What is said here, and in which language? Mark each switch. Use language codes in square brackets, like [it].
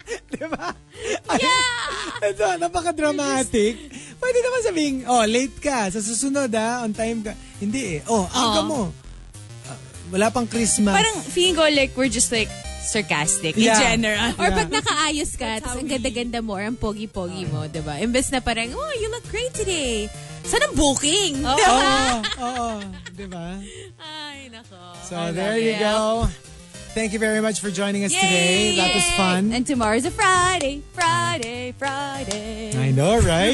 [tl] Diba? [en] Yeah! [tl] Ito, napaka-dramatic. Pwede naman sabihin, oh, late ka. Sa susunod, ha? On time ka. Hindi eh. Oh, aga mo. Wala pang Christmas. Parang feeling ko, [en] like, we're just like, sarcastic. Yeah. In general. Yeah. [tl] Or pag nakaayos ka, tapos ang ganda-ganda mo, or ang pogi-pogi mo, diba? Imbes na parang, [en] oh, you look great today. [tl] Sana booking. Oh. Diba? Oh. Diba? Ay, nako. [en] So, there you go. Thank you very much for joining us today. That was fun. And tomorrow's a Friday. I know, right?